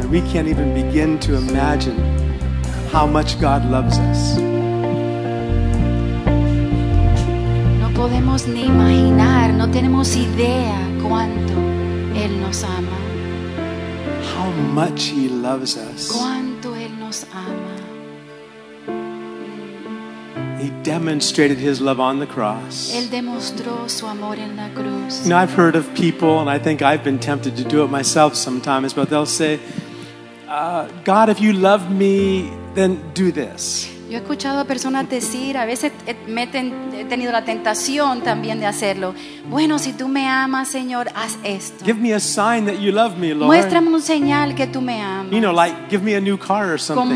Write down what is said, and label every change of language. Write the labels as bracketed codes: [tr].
[en] can't even begin to imagine how much God loves us. [es] No podemos ni imaginar, no tenemos idea cuánto Él nos ama. [en] How much He loves us. [es] Cuánto Él nos ama. [en] He demonstrated His love on the cross. [es] Él demostró su amor en la cruz. [en] You know, I've heard of people, and I think I've been tempted to do it myself sometimes, but they'll say, God, if you love me, then do this. [es] Yo he escuchado a personas decir, a veces he tenido la tentación también de hacerlo. Bueno, si tú me amas, Señor, haz esto. [en] Give me a sign that you love me, Lord. [es] Muéstrame un señal que tú me amas. [en] You know, like, give me a new car or something.